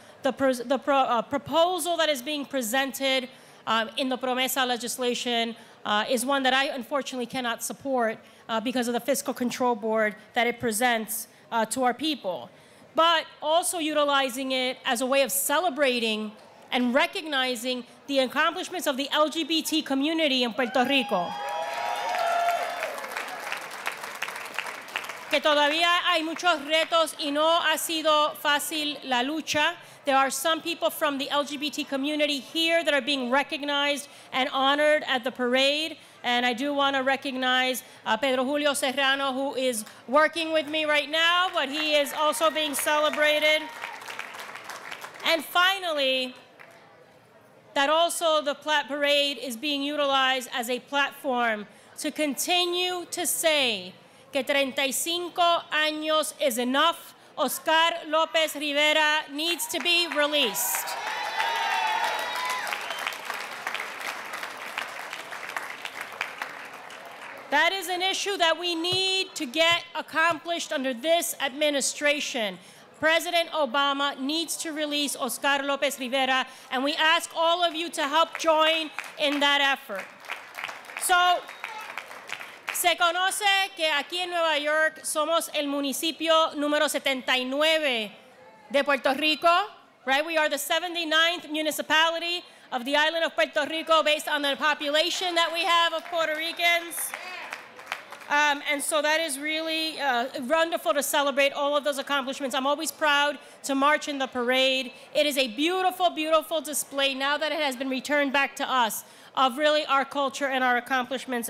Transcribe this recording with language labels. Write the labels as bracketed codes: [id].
[en] The proposal that is being presented in the Promesa legislation is one that I unfortunately cannot support because of the fiscal control board that it presents to our people. But also utilizing it as a way of celebrating and recognizing the accomplishments of the LGBT community in Puerto Rico. [es] Que todavía hay muchos retos y no ha sido fácil la lucha. [en] There are some people from the LGBT community here that are being recognized and honored at the parade. And I do want to recognize Pedro Julio Serrano, who is working with me right now, but he is also being celebrated. And finally, that also the parade is being utilized as a platform to continue to say [es] que 35 años [en] is enough. Oscar Lopez Rivera needs to be released. That is an issue that we need to get accomplished under this administration. President Obama needs to release Oscar Lopez Rivera, and we ask all of you to help join in that effort. [es] So, se conoce que aquí en Nueva York somos el municipio número 79 de Puerto Rico, [en] right? We are the 79th municipality of the island of Puerto Rico based on the population that we have of Puerto Ricans. And so that is really wonderful to celebrate all of those accomplishments. I'm always proud to march in the parade. It is a beautiful, beautiful display now that it has been returned back to us of really our culture and our accomplishments.